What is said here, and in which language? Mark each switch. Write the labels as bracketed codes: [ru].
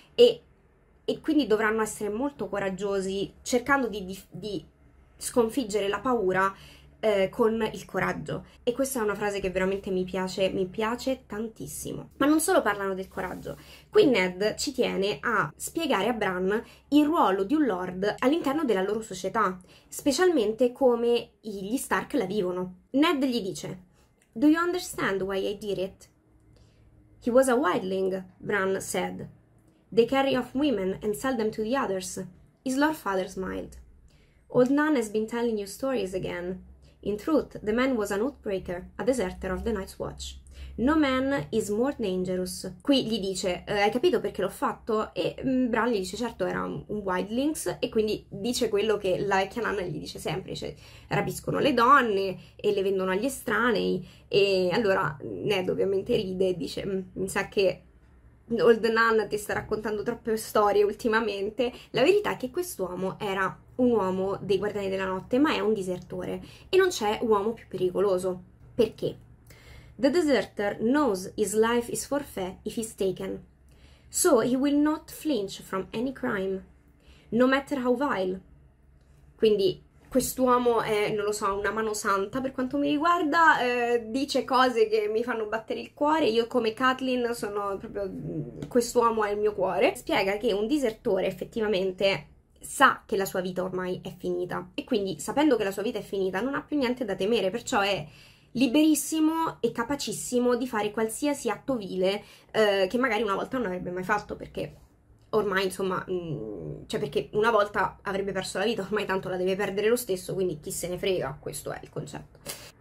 [it] E quindi dovranno essere molto coraggiosi, cercando di sconfiggere la paura, con il coraggio. E questa è una frase che veramente mi piace tantissimo. Ma non solo parlano del coraggio. Qui Ned ci tiene a spiegare a Bran il ruolo di un lord all'interno della loro società, specialmente come gli Stark la vivono. Ned gli dice: [en] Do you understand why I did it? He was a wildling, Bran said. They carry off women and sell them to the others. His lord father smiled. Old Nan has been telling you stories again. In truth, the man was an outbreaker, a deserter of the Night's Watch. No man is more dangerous. [it] Qui gli dice: Hai capito perché l'ho fatto? E Bran gli dice: Certo, era un wildlings, e quindi dice quello che la vecchia nanna gli dice sempre: cioè, rapiscono le donne e le vendono agli estranei. E allora Ned ovviamente ride e dice: Mi sa che Old Nan ti sta raccontando troppe storie ultimamente. La verità è che quest'uomo era un uomo dei Guardiani della Notte, ma è un disertore e non c'è uomo più pericoloso. Perché? [en] The deserter knows his life is forfeit if he's taken. So he will not flinch from any crime, no matter how vile. [it] Quindi quest'uomo è, non lo so, una mano santa per quanto mi riguarda, dice cose che mi fanno battere il cuore. Io come Catelyn sono proprio quest'uomo è il mio cuore. Spiega che un disertore effettivamente sa che la sua vita ormai è finita e quindi, sapendo che la sua vita è finita, non ha più niente da temere, perciò è liberissimo e capacissimo di fare qualsiasi atto vile, che magari una volta non avrebbe mai fatto perché ormai, insomma, cioè perché una volta avrebbe perso la vita, ormai tanto la deve perdere lo stesso, quindi chi se ne frega, questo è il concetto.